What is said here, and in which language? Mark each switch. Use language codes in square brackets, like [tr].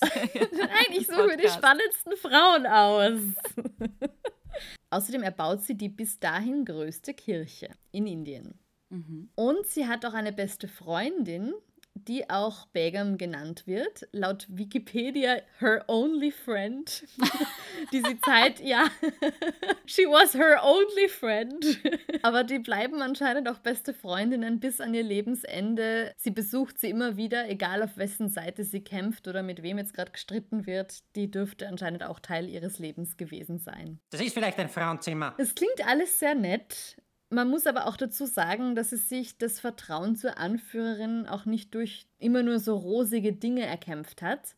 [de] Nein, ich suche mir die spannendsten Frauen aus. Außerdem erbaut sie die bis dahin größte Kirche in Indien. Und sie hat auch eine beste Freundin, die auch Begum genannt wird. Laut [en] Wikipedia, her only friend. [de] Diese Zeit, ja, [en] she was her only friend. [de] Aber die bleiben anscheinend auch beste Freundinnen bis an ihr Lebensende. Sie besucht sie immer wieder, egal auf wessen Seite sie kämpft oder mit wem jetzt gerade gestritten wird. Die dürfte anscheinend auch Teil ihres Lebens gewesen sein. Das ist vielleicht ein Frauenzimmer. Es klingt alles sehr nett. Man muss aber auch dazu sagen, dass sie sich das Vertrauen zur Anführerin auch nicht durch immer nur so rosige Dinge erkämpft hat.